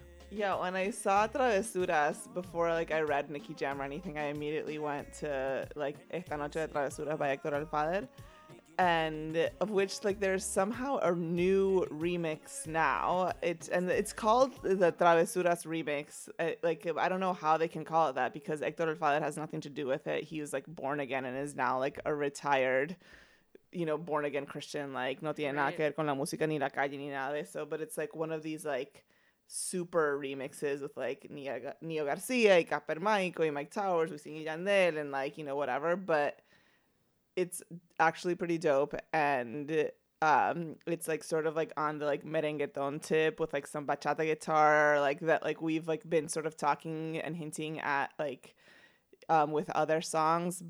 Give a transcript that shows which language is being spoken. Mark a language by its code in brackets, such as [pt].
[en] Yeah, when I saw Travesuras before, like I read Nicki Jam or anything, I immediately went to like Esta Noche de Travesuras by Héctor El Father, and of which like there's somehow a new remix now. It's called the Travesuras remix. Like I don't know how they can call it that, because Héctor El Father has nothing to do with it. He was like born again and is now like a retired, you know, born again Christian. [es] Like no tiene nada que ver con la música ni la calle ni nada de eso. [en] But it's like one of these like super remixes with like Neo Garcia y Capermaico y Mike Towers, Wisin y Yandel, and like, you know, whatever. But it's actually pretty dope, and it's like sort of like on the like merengueton tip with like some bachata guitar, like that, like we've like been sort of talking and hinting at like with other songs.